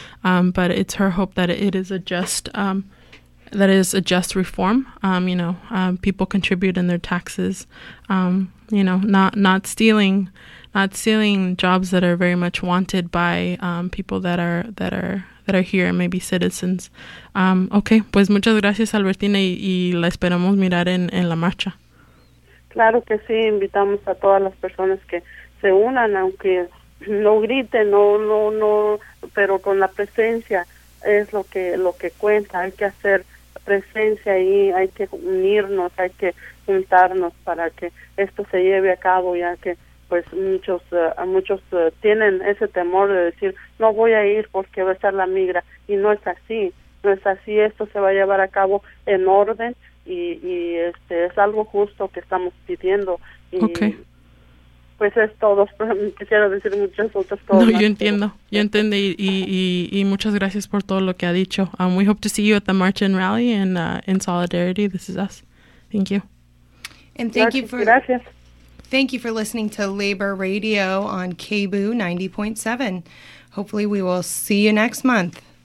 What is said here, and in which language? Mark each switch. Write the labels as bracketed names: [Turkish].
[English] But it's her hope that it is a just reform, you know, people contribute in their taxes, you know, not stealing jobs that are very much wanted by people that are here, maybe citizens. [Spanish] Okay, pues muchas gracias, Albertina, y la esperamos mirar en la marcha. Claro que sí, invitamos a todas las personas que se unan, aunque no griten, no, pero con la presencia es lo que cuenta. Hay que hacer presencia ahí, hay que unirnos, hay que juntarnos para que esto se lleve a cabo, ya que pues muchos tienen ese temor de decir, no voy a ir porque va a estar la migra, y no es así, esto se va a llevar a cabo en orden, y es algo justo que estamos pidiendo, y okay. Pues es todo. Quisiera decir muchas otras cosas. No, yo entiendo, y muchas gracias por todo lo que ha dicho. [English] We hope to see you at the march and rally, and in solidarity, this is us. Thank you. And thank [Spanish] gracias, [English] you for [Spanish] gracias. [English] Thank you for listening to Labor Radio on KBOO 90.7. Hopefully, we will see you next month.